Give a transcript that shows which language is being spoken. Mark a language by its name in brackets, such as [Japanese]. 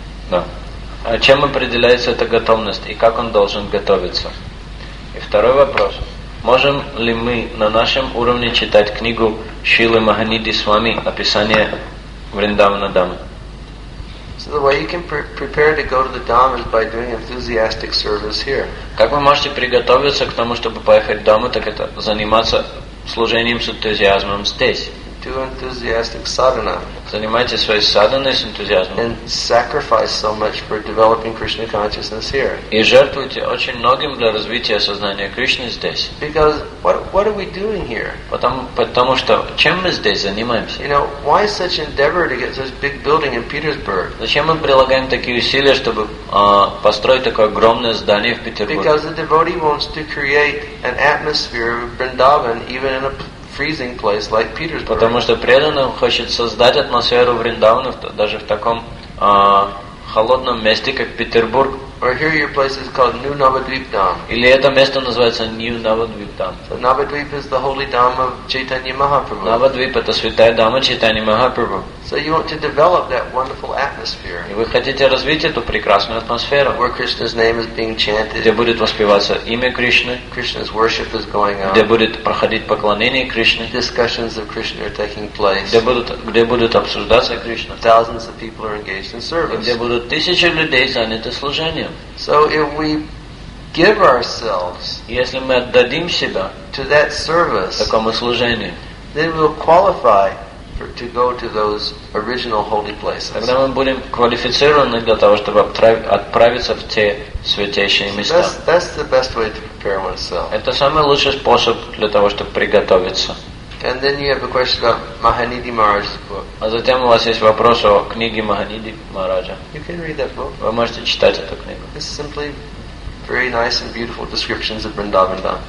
[Russian] Да. А чем определяется эта готовность и как он должен готовиться? И второй вопрос. Можем ли мы на нашем уровне читать книгу Шрилы Маханиди Свами «Описание Вриндавана Дамы»? [English] So the way you can prepare to go to the Dhamma is by doing enthusiastic service here. [Russian] Как вы можете приготовиться к тому, чтобы поехать в Дхамму, так это заниматься служением с энтузиазмом здесь. [English] Do enthusiastic sadhana. [Russian] Занимайте свои садханы с энтузиазмом. [English] And sacrifice so much for developing Krishna consciousness here. [Russian] И жертвуйте очень многим для развития сознания Кришны здесь. [English] Because what are we doing here? [Russian] Потому что чем мы здесь занимаемся? [English] You know, why such endeavor to get such big building in Petersburg? [Russian] Зачем мы прилагаем такие усилия, чтобы построить такое огромное здание в Петербурге? [English] Because the devotee wants to create an atmosphere of Vrindavan even in a freezing place like Petersburg. [Russian] Потому что преданный хочет создать атмосферу Вриндавана даже в таком холодном месте, как Петербург. [English] Or here your place is called New Navadvip Dham. [Russian] Или это место называется New Navadvip Dham. [English] So Navadvip is the holy dham of Chaitanya Mahaprabhu. [Russian] Navadvip это святая дама Чайтаньи Махапрабху. [English] So you want to develop that wonderful atmosphere. [Russian] И вы хотите развить эту прекрасную атмосферу. [English] Where Krishna's name is being chanted. [Russian] Где будет воспеваться имя Кришны. [English] Krishna's worship is going on. [Russian] Где будет проходить поклонение Кришне. [English] Discussions of Krishna are taking place. [Russian] Где будут обсуждаться Кришна. [English] Thousands of people are engaged in service. [Russian] Где будут тысячи людей заняты служением. [English] So if we give ourselves, [Russian] если мы отдадим себя [English] to that service, [Russian] такому служению, [English] then we'll qualify to go to those original holy places. [Russian] Тогда мы будем квалифицированы для того, чтобы отправиться в те святейшие места. [English] That's the best way to prepare oneself. [Russian] Это самый лучший способ для того, чтобы приготовиться. [English] And then you have a question about Mahanidhi Maharaj's book. [Russian] А затем у вас есть вопрос о книге Маханиди Махараджа. [English] You can read that book. [Russian] Вы можете читать эту книгу. [English] It's simply very nice and beautiful descriptions of Vrindavan Dham.